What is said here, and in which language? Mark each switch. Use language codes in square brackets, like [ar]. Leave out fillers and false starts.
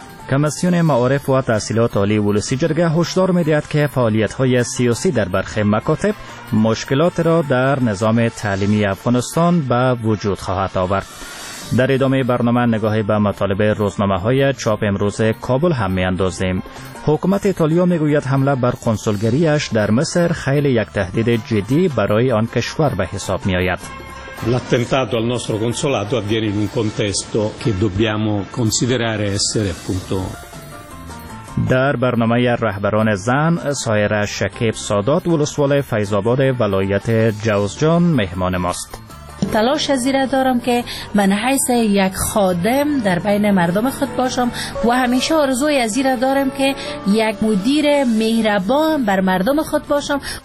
[fa] کمیسیون معارف و تحصیلات عالی ولسی جرگه هشدار میدهد که فعالیت های سیاسی در برخی مکاتب مشکلات را در نظام تعلیمی افغانستان به وجود خواهد آورد. در ادامه برنامه نگاهی به مطالب روزنامه های چاپ امروز کابل هم می اندازیم. حکومت ایتالیا می گوید حمله بر کنسولگریش در مصر خیلی یک تهدید جدی برای آن کشور به حساب می آید. [it] L'attentato al nostro consolato avviene in un contesto che dobbiamo considerare essere appunto. [fa] در برنامه رهبران زن سایره شکیب سادات ولسوال فیض‌آباد ولایت جوزجان مهمان ماست. تلاش زیره دارم که من حیث یک خادم در بین مردم خود باشم و همیشه آرزوی زیره دارم که یک مدیر مهربان بر مردم خود باشم.